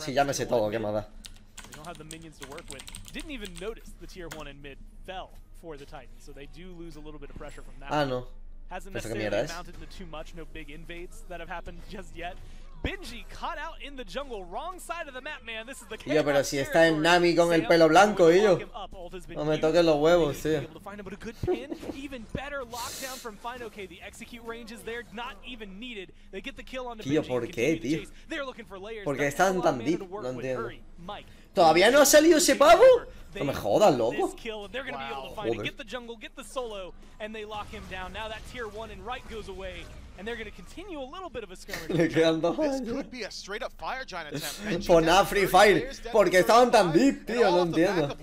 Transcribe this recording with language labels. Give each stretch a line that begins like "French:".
Spanish: Sí, ya me sé todo, qué mada.
English: They don't have the minions to work with. Didn't even notice the tier 1 in mid fell for the Titans, so they do lose a little bit of pressure from that. Ah, no. Hasn't necessarily mounted into too much, no big invades that have happened just yet. Benji caught out in the jungle, wrong side of the map, man. This is the case. Yo,
Spanish: pero si está en Nami con el pelo blanco, y yo. No me toques los huevos, tío.
English: Even better lockdown from Fine. Okay, the execute range is there, not even needed. They get the kill on the Benji.
Spanish: ¿Por qué, tío? Porque están tan deep, no entiendo. ¿Todavía no ha salido ese pavo? No me jodas, loco. Joder.
English: And they're going to continue a little bit of a skirmish. This could be a straight up fire giant attempt.
Spanish: Por nada Free Fire, porque estaban tan deep, tío, no entiendo.